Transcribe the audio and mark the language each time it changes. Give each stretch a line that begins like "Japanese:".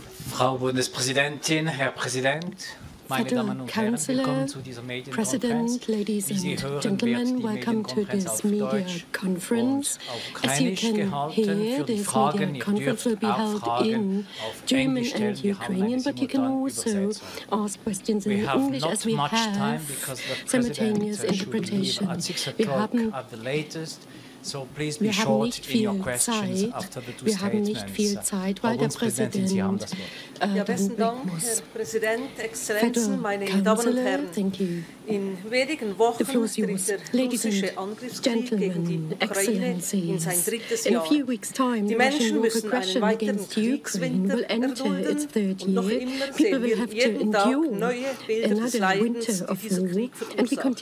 German: Frau Bundespräsidentin, Herr Präsident, meine Damen und Herren, willkommen zu dieser Medienkonferenz. Wie Sie hören, wird die Medienkonferenz auf Deutsch und auf Ukrainisch gehalten. Für die Fragen, ihr dürft auch Fragen auf Englisch stellen. Wir haben eine simultane Übersetzung.
English: We have not much time because the President should leave at 6 o'clock at the latest. So please be short in your questions after the two statements.
German: Frau Bundespräsidentin, Sie haben das Wort. Ja, besten Dank, Herr Präsident, Exzellenzen, meine Damen und Herren. In wenigen Wochen tritt der russische Angriffskrieg gegen die Ukraine in sein drittes Jahr. Die Menschen müssen einen weiteren Kriegswinter erdulden und noch immer sehen wir jeden Tag neue Bilder des Leidens, die dieser Krieg verursacht.